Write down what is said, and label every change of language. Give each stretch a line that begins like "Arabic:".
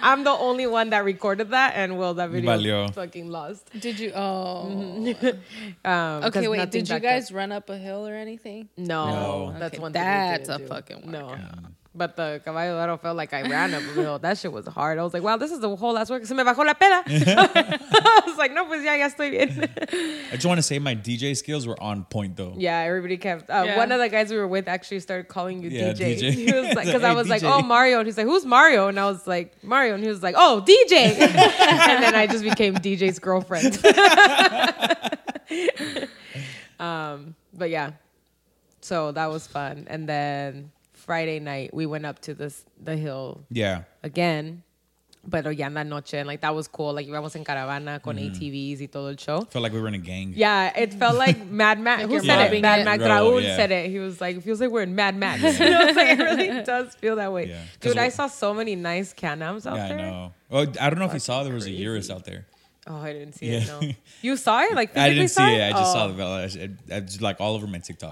English: I'm the only one that recorded that. And well, that video
Spanish: Valió.
English: Fucking lost. Did you? Oh. okay, wait. Did you guys run up a hill or anything? No. No. That's okay, one thing that's we didn't a do. Fucking workout. No. But the Caballo Dorado felt like I ran up a hill. That shit was hard. I was like, wow, this is a whole ass workout.
Spanish: Se me bajó la peda.
English: I was like,
Spanish: no, pues ya, ya estoy bien.
English: I just want to say my DJ skills were on point, though. Yeah, everybody kept. Yeah. One of the guys we were with actually started calling you DJ. Because like, hey, I was DJ. Like, oh, Mario. And he's like, who's Mario? And I was like, Mario. And he was like, oh, DJ. And then I just became DJ's girlfriend. but yeah, so that was fun. And then... Friday night, we went up to the hill. Yeah. Again. But
Spanish: ya en la noche.
English: And, like, that was cool.
Spanish: Like, íbamos en caravana con ATVs y todo el show.
English: Felt like we were in a gang. Yeah. It felt like Mad Max. Who said it? Mad Max. Raul said it. He was like, it feels like we're in Mad Max. You know, it's like, it really does feel that way. Yeah. Dude, I saw so many nice Can-Ams out there. Yeah, I know. Well, I don't know if you saw. There was a Urus out there. Oh, I didn't see it, no. You saw it? Like, physically I didn't see it. I just saw the video. It's, like, all over my TikTok.